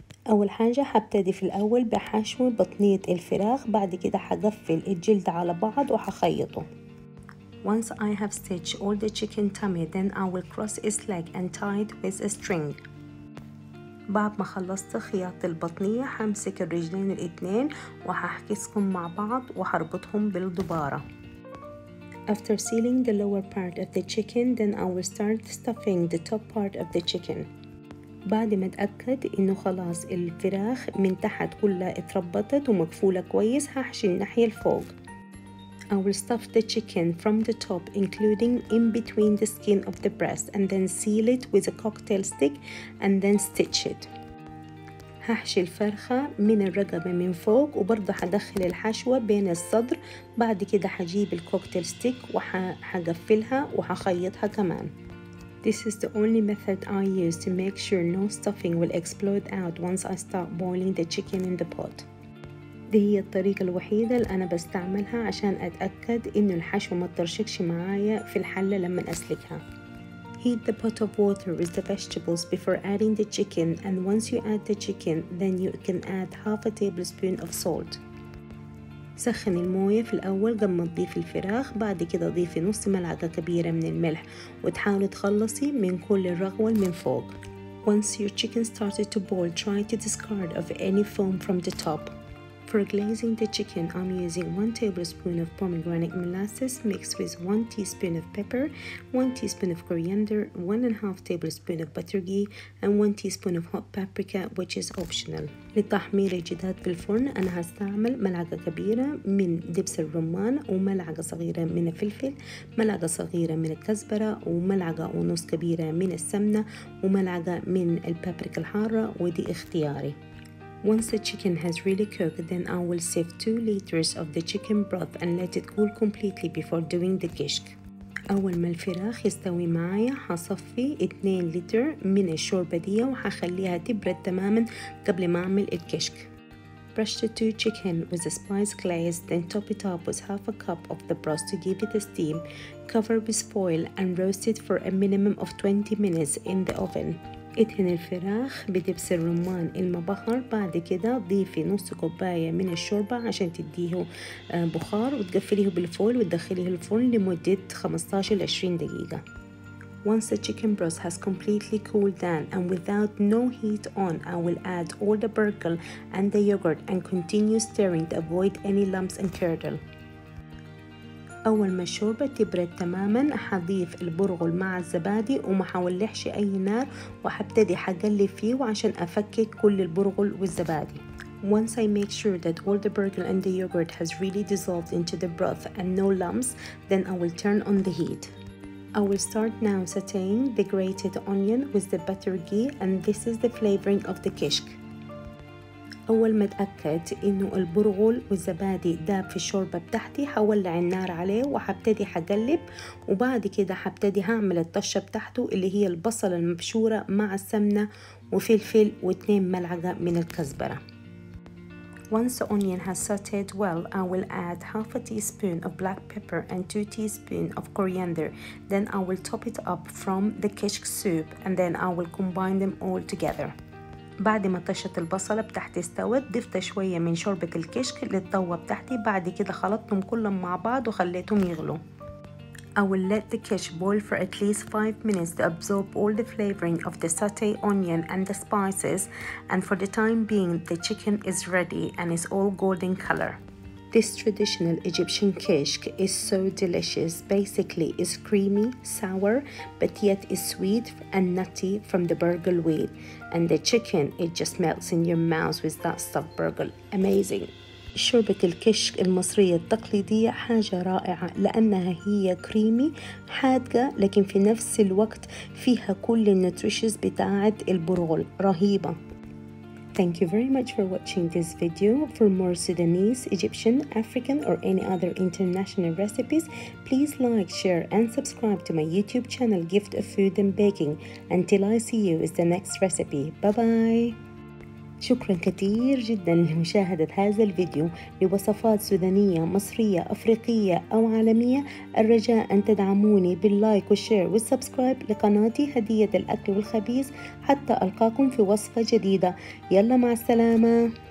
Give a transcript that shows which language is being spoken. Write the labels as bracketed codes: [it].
[ar] أول حاجة هبتدي في الأول بحشو بطنية الفراخ بعد كده هقفل الجلد على بعض وهخيطه. [en] Once I have stitched all the chicken tummy, then I will cross its leg and tie it with a string. [ar] بعد ما خلصت خياط البطنية همسك الرجلين الاثنين وهحكسهم مع بعض وهربطهم بالدبارة. [en] After sealing the lower part of the chicken, then I will start stuffing the top part of the chicken. [ar] بعد ما اتأكد انه خلاص الفراخ من تحت كلها اتربطت ومكفولة كويس هحشي الناحية الفوق. [en] I will stuff the chicken from the top including in between the skin of the breast and then seal it with a cocktail stick and then stitch it. [ar] هحشي الفرخة من الرقبة من فوق وبرضه هدخل الحشوة بين الصدر بعد كده هجيب الكوكتيل ستيك وهقفلها وهخيطها كمان. [en] This is the only method I use to make sure no stuffing will explode out once I start boiling the chicken in the pot. [ar] دي هي الطريقة الوحيدة اللي أنا بستعملها عشان أتأكد إن الحشو ما ترشكش معايا في الحلة لما أسلكها. [en] Heat the pot of water with the vegetables before adding the chicken and once you add the chicken, then you can add half a tablespoon of salt. [ar] سخن الموية في الأول قبل ما تضيف الفراخ بعد كده ضيفي نص ملعقة كبيرة من الملح وتحاولي تخلصي من كل الرغوة من فوق. [en] Once your chicken started to boil, try to discard of any foam from the top. For glazing the chicken, I'm using 1 tablespoon of pomegranate molasses mixed with 1 teaspoon of pepper, 1 teaspoon of coriander, 1.5 tablespoon of butter ghee, and 1 teaspoon of hot paprika, which is optional. [ar] للتحمير الجداد في الفرن أنا هستعمل ملعقة كبيرة من دبس الرمان وملعقة صغيرة من الفلفل ملعقة صغيرة من الكزبرة وملعقة ونص كبيرة من السمنة وملعقة من البابريكا الحارة ودي اختياري. [en] Once the chicken has really cooked, then I will sieve 2 liters of the chicken broth and let it cool completely before doing the kishk. [ar] أول ما الفراخ يستوي معايا هصفي 2 لتر من الشوربة دي وهخليها تبرد تماما قبل ما أعمل الكشك. [en] Brush the 2 chicken with a spice glaze, then top it up with half a cup of the broth to give it a steam. Cover with foil and roast it for a minimum of 20 minutes in the oven. [ar] ادهن الفراخ بدبس الرمان المبخر بعد كده ضيفي نص كوباية من الشوربة عشان تديه بخار وتقفليه بالفول وتدخليه الفرن لمدة 15-20 دقيقة. [en] Once the chicken broth has completely cooled down and without no heat on, I will add all the bulgur and the yogurt and continue stirring to avoid any lumps and curdle. [ar] أول ما الشوربة تبرد تماماً هضيف البرغل مع الزبادي وما حولحش أي نار وحبتدي حقلي فيه وعشان أفكك كل البرغل والزبادي. [en] Once I make sure that all the bulgur and the yogurt has really dissolved into the broth and no lumps, then I will turn on the heat. I will start now sauteing the grated onion with the butter ghee and this is the flavoring of the kishk. [ar] أول ما أتأكد إنه البرغل والزبادي داب في الشوربة بتاعتي هولع النار عليه وحبتدي حقلب وبعد كده حبتدي هعمل الطشة بتاعته اللي هي البصل المبشورة مع السمنة وفلفل واثنين ملعقة من الكزبرة. [en] Once the onion has sauteed well, I will add half a teaspoon of black pepper and 2 teaspoons of coriander. Then I will top it up from the kishk soup and then I will combine them all together. [ar] بعد ما طشت البصلة بتاعتي استوت ضفت شوية من شوربة الكشك للطوة بتاعتي بعد كده خلطتهم كلهم مع بعض وخليتهم يغلوا. [en] I will let the kishk boil for at least 5 minutes to absorb all the flavoring of the sauté onion and the spices and for the time being the chicken is ready and is all golden color. This traditional Egyptian kishk is so delicious. Basically it's creamy, sour, but yet is sweet and nutty from the bulgur wheat. And the chicken, it just melts in your mouth with that stuffed bulgur. Amazing. [ar] شوربة الكشك المصرية التقليدية حاجة رائعة لأنها هي كريمي حادقة لكن في نفس الوقت فيها كل النوتريشنز بتاعة البرغل رهيبة. [en] Thank you very much for watching this video. For more Sudanese, Egyptian, African, or any other international recipes, please like, share, and subscribe to my YouTube channel, Gift of Food and Baking. Until I see you with the next recipe. Bye-bye. [ar] شكرا كثير جدا لمشاهدة هذا الفيديو. لوصفات سودانية مصرية أفريقية أو عالمية الرجاء أن تدعموني باللايك والشير والسبسكرايب لقناتي هدية الأكل والخبيز حتى ألقاكم في وصفة جديدة. يلا مع السلامة.